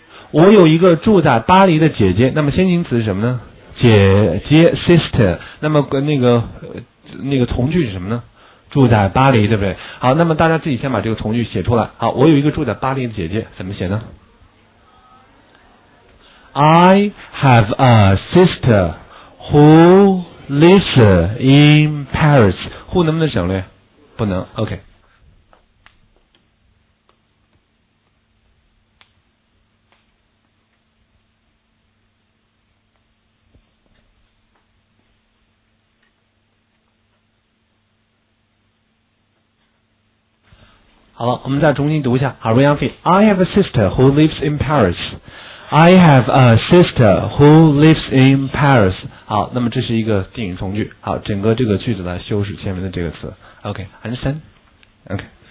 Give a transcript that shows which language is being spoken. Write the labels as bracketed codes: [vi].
[zh] 我有一个住在巴黎的姐姐。那么先行词是什么呢？姐姐 sister。那么那个从句是什么呢？住在巴黎，对不对？好，那么大家自己先把这个从句写出来。好，我有一个住在巴黎的姐姐，怎么写呢？ [en] I have a sister who lives in Paris. [zh] Who 能不能省略？不能。OK。好了，我们再重新读一下。 [en] 好，杨飞 ，I have a sister who lives in Paris. I have a sister who lives in Paris. [zh] 好，那么这是一个定语从句。好，整个这个句子来修饰前面的这个词。 [en] OK, understand? OK.